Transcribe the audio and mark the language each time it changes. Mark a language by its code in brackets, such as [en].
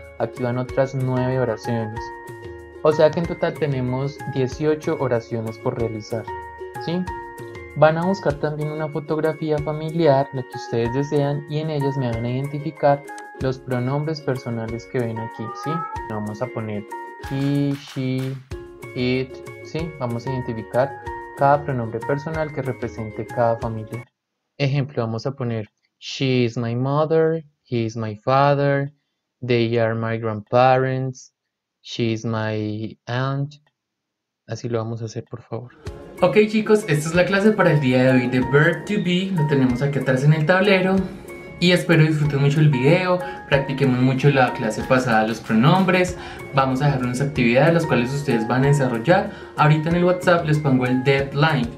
[es] Aquí van otras 9 oraciones. O sea que en total tenemos 18 oraciones por realizar. ¿Sí? Van a buscar también una fotografía familiar, la que ustedes desean, y en ellas me van a identificar los pronombres personales que ven aquí, ¿sí? Vamos a poner he, she, it, ¿sí? Vamos a identificar cada pronombre personal que represente cada familia. Ejemplo, vamos a poner [en] she is my mother, he is my father, they are my grandparents, she is my aunt. [es] Así lo vamos a hacer, por favor. Ok chicos, esta es la clase para el día de hoy de Verb to Be, lo tenemos aquí atrás en el tablero. Y espero disfruten mucho el video, practiquemos mucho la clase pasada, los pronombres. Vamos a dejar unas actividades las cuales ustedes van a desarrollar. Ahorita en el WhatsApp les pongo el deadline.